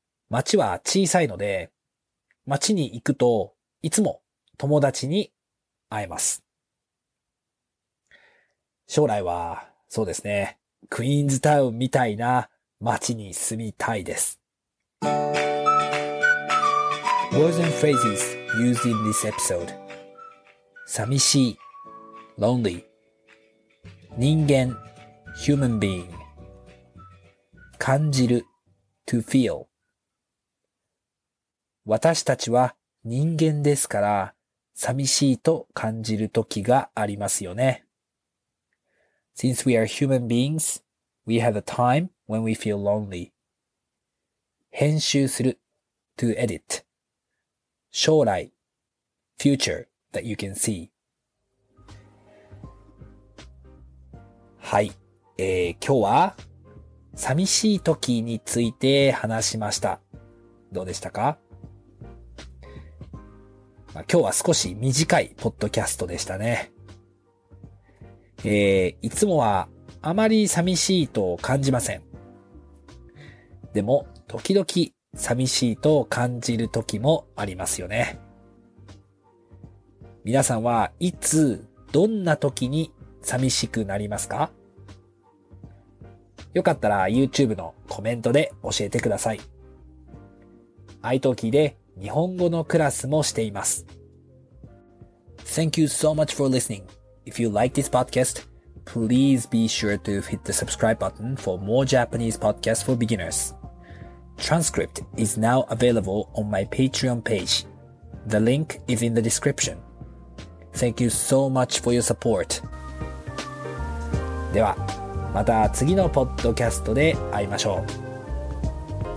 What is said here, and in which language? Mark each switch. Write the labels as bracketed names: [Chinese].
[Japanese] 街は小さいので、街に行くといつも友達に会えます。将来はそうですね、クイーンズタウンみたいな街に住みたいです。 [English] Words and phrases used in this episode. 寂しい lonely. 人間 human being. 感じる to feel. [Japanese] 私たちは人間ですから寂しいと感じる時がありますよね。 [English] Since we are human beings, we have a time when we feel lonely. 編集する to edit. 将来 future that you can see。 [Japanese] はい、今日は寂しい時について話しました。どうでしたか？今日は少し短いポッドキャストでしたね。いつもはあまり寂しいと感じません。でも時々寂しいと感じる時もありますよね。皆さんはいつどんな時に寂しくなりますか？よかったら YouTube のコメントで教えてください。iTalkie で日本語のクラスもしています。 [English] Thank you so much for listening. If you like this podcast, please be sure to hit the subscribe button for more Japanese podcasts for beginners. Transcript is now available on my Patreon page. The link is in the description. Thank you so much for your support. [Japanese] ではまた次のポッドキャストで会いましょう。